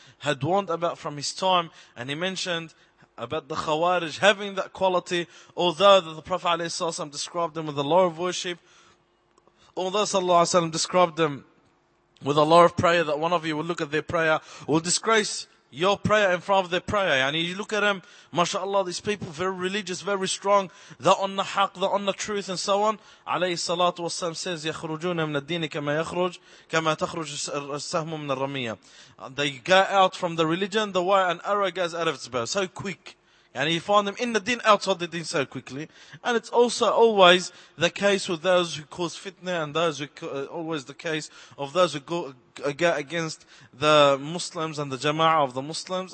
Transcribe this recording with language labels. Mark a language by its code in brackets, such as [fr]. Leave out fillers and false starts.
[en] Had warned about from his time, and he mentioned about the Khawarij having that quality, although that the Prophet alaihi wasallam described them with a law of worship, although sallallahu alaihi wasallam described them with a law of prayer, that one of you will look at their prayer, will disgrace your prayer in front of their prayer. And you look at them, mashallah, these people, very religious, very strong, they're on the haq, they're on the truth, and so on. [ar] Alayhi salatu wasalam says, يَخْرُجُونَ مِنَ الدِّينِ كَمَا يَخْرُجُ كَمَا تَخْرُجُ السَّهْمُ مِنَ الرَّمِيَّةِ. [en] They go out from the religion, the way an arrow goes out of its bow, so quick. And you find them in the deen, outside the deen so quickly. And it's also always the case with those who cause fitna, and those who always the case of those who go against the Muslims and the jama'ah of the Muslims.